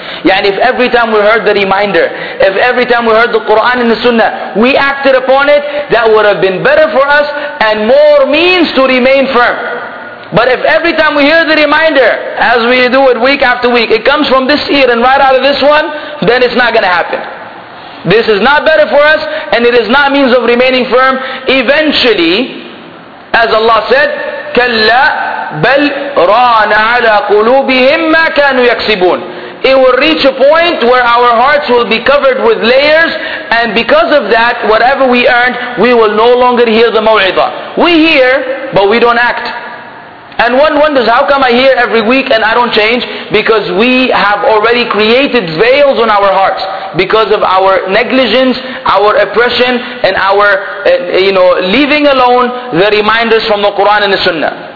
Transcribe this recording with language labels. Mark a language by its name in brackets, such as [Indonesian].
[English] Yani if every time we heard the reminder, if every time we heard the Quran and the Sunnah, we acted upon it, that would have been better for us and more means to remain firm. But if every time we hear the reminder, as we do it week after week, it comes from this ear and right out of this one, then it's not going to happen. This is not better for us, and it is not means of remaining firm. Eventually, as Allah said, [Arabic] كَلَّا بَلْ رَانَ عَلَىٰ قُلُوبِهِمْ مَا كَانُوا يَكْسِبُونَ. [English] It will reach a point where our hearts will be covered with layers, and because of that, whatever we earned, we will no longer hear the maw'idah. We hear, but we don't act. And one wonders, how come I hear every week and I don't change? Because we have already created veils on our hearts because of our negligence, our oppression, and our leaving alone the reminders from the Quran and the Sunnah.